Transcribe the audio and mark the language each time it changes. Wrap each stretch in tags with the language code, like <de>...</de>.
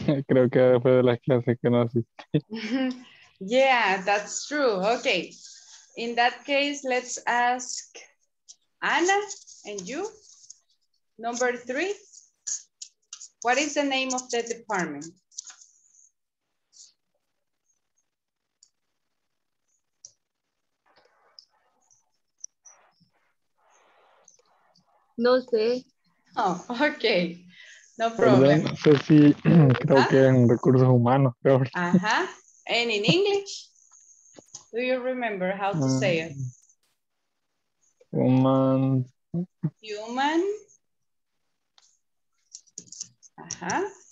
<es>Creo que fue de las clases que no asistí.</es> <en>Yeah, that's true. Okay. In that case, let's ask Ana and you. Number three. What is the name of the department?</en> <es>No sé.</es> <en>Oh, okay. No problem.</en> <es>No sé si creo que en recursos humanos. Ajá.</es> <en>And in English, do you remember how to say it? Human. Human. Ajá.</en>